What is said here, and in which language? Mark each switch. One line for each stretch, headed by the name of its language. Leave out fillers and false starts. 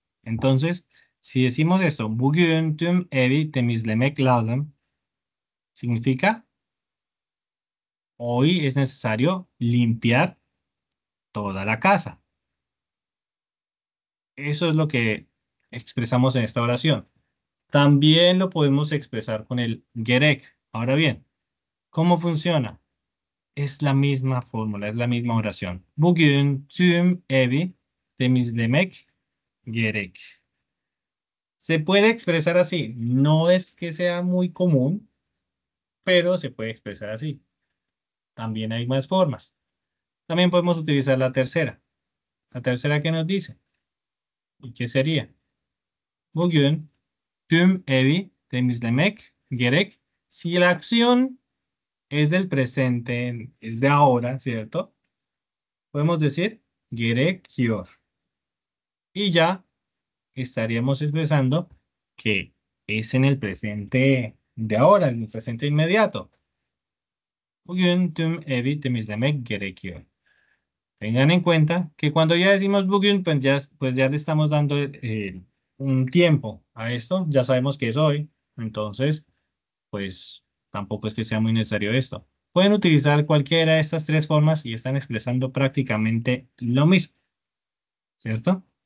Spanish: Entonces, si decimos esto,
Turkish: bugün tüm evi temizlemek lazım,
Spanish: significa hoy es necesario limpiar toda la casa. Eso es lo que expresamos en esta oración. También lo podemos expresar con el gerek. Ahora bien, ¿cómo funciona? Es la misma fórmula, es la misma oración.
Turkish: Bugün tüm evi temizlemek gerek.
Spanish: Se puede expresar así. No es que sea muy común, pero se puede expresar así. También hay más formas. También podemos utilizar la tercera. La tercera que nos dice. ¿Y qué sería?
Turkish: Bugün tüm evi temizlemek gerek.
Spanish: Si la acción es del presente, es de ahora, ¿cierto? Podemos decir gerekiyor. Y ya estaríamos expresando que es en el presente de ahora, en el presente inmediato.
Turkish: Bugün tüm evi temizlemek gerekiyor.
Spanish: Tengan en cuenta que cuando ya decimos bugün, pues ya le estamos dando un tiempo a esto. Ya sabemos que es hoy. Entonces, pues tampoco es que sea muy necesario esto. Pueden utilizar cualquiera de estas tres formas y están expresando prácticamente lo mismo. ¿Cierto?